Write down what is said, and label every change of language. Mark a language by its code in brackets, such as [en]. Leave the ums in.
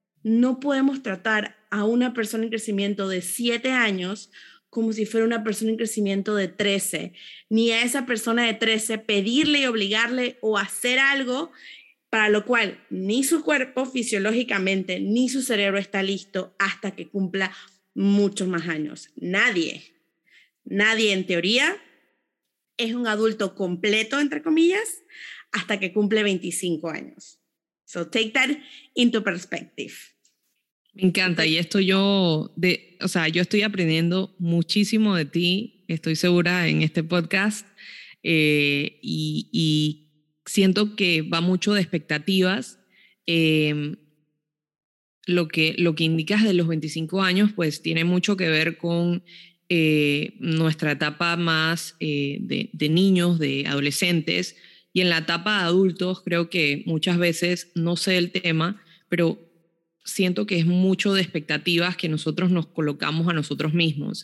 [es] No podemos tratar a una persona en crecimiento de 7 años como si fuera una persona en crecimiento de 13, ni a esa persona de 13 pedirle y obligarle o hacer algo para lo cual ni su cuerpo fisiológicamente ni su cerebro está listo hasta que cumpla muchos más años. Nadie, nadie en teoría es un adulto completo, entre comillas, hasta que cumple 25 años. [en] So take that into perspective. [es] Me encanta y esto yo, de, o sea, yo estoy aprendiendo muchísimo de ti, estoy segura, en este podcast. Eh, y, y siento que va mucho de expectativas. Eh, lo, que, lo que indicas de los 25 años, pues tiene mucho que ver con eh, nuestra etapa más eh, de, de, niños, de adolescentes, y en la etapa de adultos creo que muchas veces, no sé el tema, pero siento que es mucho de expectativas que nosotros nos colocamos a nosotros mismos.